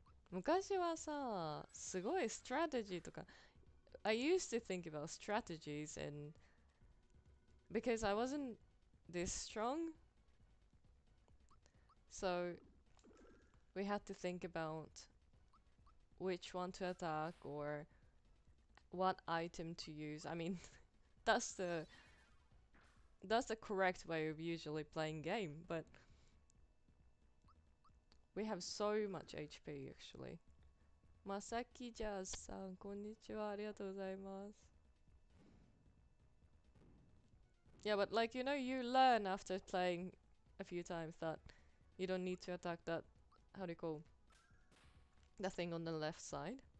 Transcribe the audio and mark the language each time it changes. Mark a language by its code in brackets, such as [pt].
[ja] 昔はさ、すごいストラテジーとか。 [en] I used to think about strategies and because I wasn't this strong, so we had to think about which one to attack or what item to use. I mean, that's the correct way of usually playing game, but we have so much HP actually. [ja] マサキジャズさん、こんにちは。ありがとうございます。 [en] Yeah, but like, you know, you learn after playing a few times that you don't need to attack that, how do you call the thing on the left side?